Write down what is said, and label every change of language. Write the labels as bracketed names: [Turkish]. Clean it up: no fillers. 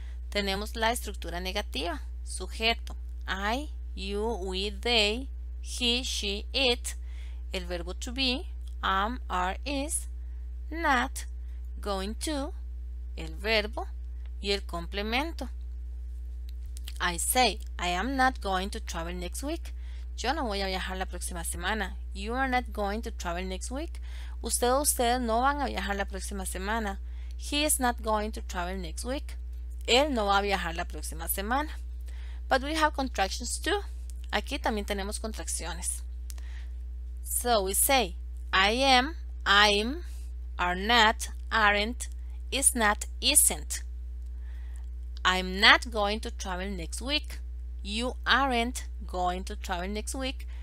[Spanish] Tenemos la estructura negativa, sujeto, I, you, we, they, he, she, it, el verbo to be, am, are, is, not, going to, el verbo y el complemento. [English] I say, I am not going to travel next week. [Spanish] Yo no voy a viajar la próxima semana. [English] You are not going to travel next week. [Spanish] Usted o ustedes no van a viajar la próxima semana. [English] He is not going to travel next week. [Spanish] Él no va a viajar la próxima semana. [English] But we have contractions too. [Spanish] Aquí también tenemos contracciones. [English] So we say, I am, I'm, are not, aren't, is not, isn't. I'm not going to travel next week. You aren't going to travel next week.